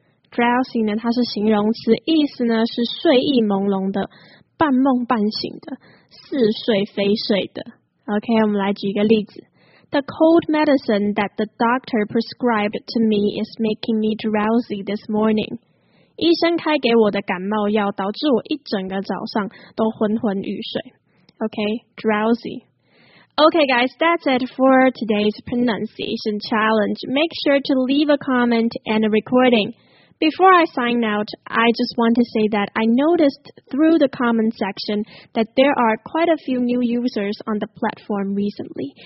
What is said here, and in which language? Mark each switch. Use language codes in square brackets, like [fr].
[zh] Drowsy 呢，它是形容词，意思呢是睡意朦胧的、半梦半醒的、似睡非睡的。 [en] OK， [zh] 我们来举一个例子 [en] ：The cold medicine that the doctor prescribed to me is making me drowsy this morning. [zh] 医生开给我的感冒药导致我一整个早上都昏昏欲睡。 [en] OK， drowsy。 Okay guys, that's it for today's pronunciation challenge. Make sure to leave a comment and a recording. Before I sign out, I just want to say that I noticed through the comment section that there are quite a few new users on the platform recently.